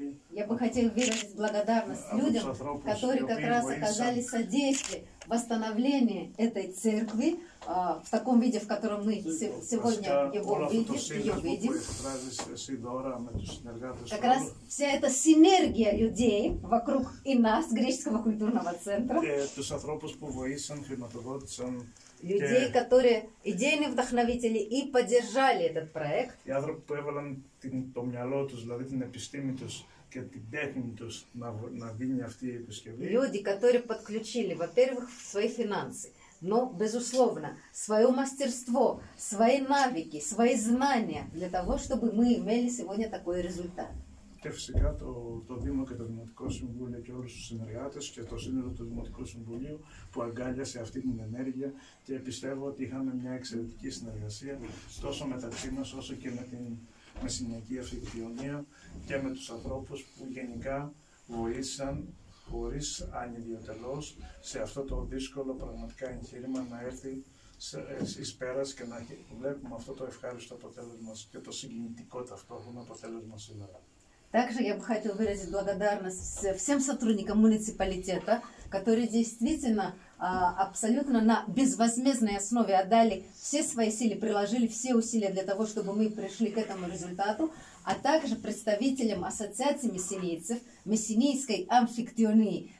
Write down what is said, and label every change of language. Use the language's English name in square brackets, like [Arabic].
[Russian] Я бы хотел выразить благодарность людям, которые как раз оказали содействие в восстановлении этой церкви в таком виде, в котором мы сегодня ее видим. Как раз вся эта синергия людей вокруг и нас, греческого культурного центра. Тех людей, которые помогли, финансировали. людей, которые идейные вдохновители и поддержали этот проект. [Greek] Οι άνθρωποι που έβαλαν το μυαλό τους, δηλαδή την επιστήμη τους και την τέχνη τους να δίνει αυτή η επισκευή. [Russian] Люди, которые подключили, во-первых, свои финансы, но, безусловно, свое мастерство, свои навыки, свои знания для того, чтобы мы имели сегодня такой результат. [Greek] Και φυσικά το Δήμο και το Δημοτικό Συμβούλιο και όλους τους συνεργάτες και το Σύνολο του Δημοτικού Συμβουλίου που αγκάλιασε αυτή την ενέργεια και πιστεύω ότι είχαμε μια εξαιρετική συνεργασία τόσο μεταξύ μας όσο και με συνεργική αυτοκτονία και με τους ανθρώπους που γενικά βοήθησαν χωρίς ανιδιοτελώς σε αυτό το δύσκολο πραγματικά εγχείρημα να έρθει εις πέρας και να βλέπουμε αυτό το ευχάριστο αποτέλεσμα και το συγκινητικό ταυτόχρονα αποτέλεσμα σήμερα. [Russian] Также я бы хотела выразить благодарность всем сотрудникам муниципалитета, которые действительно абсолютно на безвозмездной основе отдали все свои силы, приложили все усилия для того, чтобы мы пришли к этому результату, а также представителям ассоциации мессинейцев, мессинейской амфиктионии.